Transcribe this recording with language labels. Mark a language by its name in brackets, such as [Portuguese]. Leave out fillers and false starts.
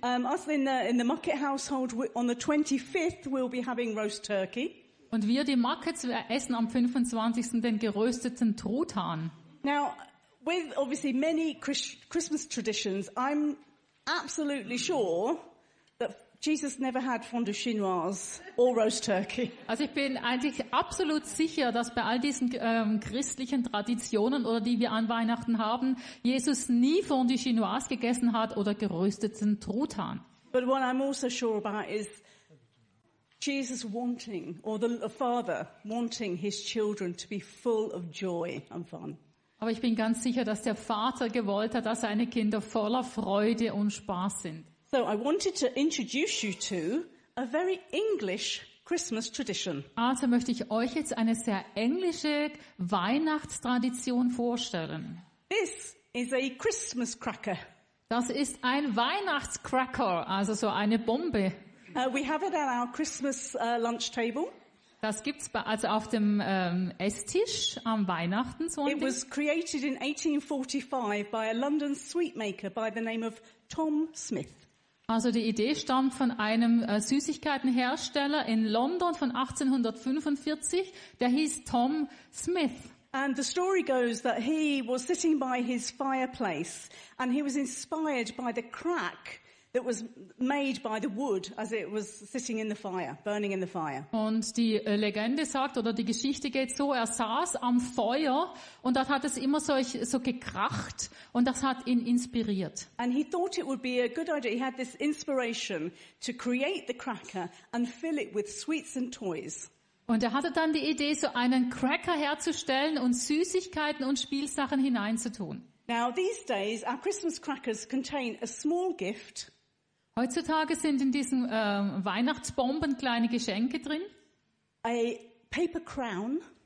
[English] Us in the Muckett household, on the 25th we'll be having roast turkey. [German] Und wir, die Muckets, essen am 25. den gerösteten Truthahn. [English] Now, with obviously many Christmas traditions, I'm absolutely sure that Jesus never had fondue chinoise or roast turkey. [German] Also ich bin eigentlich absolut sicher, dass bei all diesen christlichen Traditionen oder die wir an Weihnachten haben, Jesus nie fondue chinoise gegessen hat oder gerösteten Truthahn. [English] But what I'm also sure about is Jesus wanting, or the Father wanting his children to be full of joy and fun. [German] Aber ich bin ganz sicher, dass der Vater gewollt hat, dass seine Kinder voller Freude und Spaß sind. [English] So I wanted to introduce you to a very English Christmas tradition. [German] Also möchte ich euch jetzt eine sehr englische Weihnachtstradition vorstellen. [English] This is a Christmas cracker. [German] Das ist ein Weihnachtscracker, also so eine Bombe. [English] We have it at our Christmas lunch table. [German] Das gibt's also auf dem Esstisch am Weihnachten so. [English] It was created in 1845 by a London sweet maker by the name of Tom Smith. [German] Also die Idee stammt von einem Süßigkeitenhersteller in London von 1845, der hieß Tom Smith. [English] And the story goes that he was sitting by his fireplace and he was inspired by the crack that was made by the wood as it was sitting in the fire, burning in the fire. [German] Und die Legende sagt, oder die Geschichte geht so, er saß am Feuer und dort hat es immer so gekracht und das hat ihn inspiriert. [English] And he thought it would be a good idea. He had this inspiration to create the cracker and fill it with sweets and toys. [German] Und er hatte dann die Idee, so einen Cracker herzustellen und Süßigkeiten und Spielsachen hineinzutun. [English] Now these days our Christmas crackers contain a small gift. [German] Heutzutage sind in diesen Weihnachtsbomben kleine Geschenke drin. [English] A paper crown.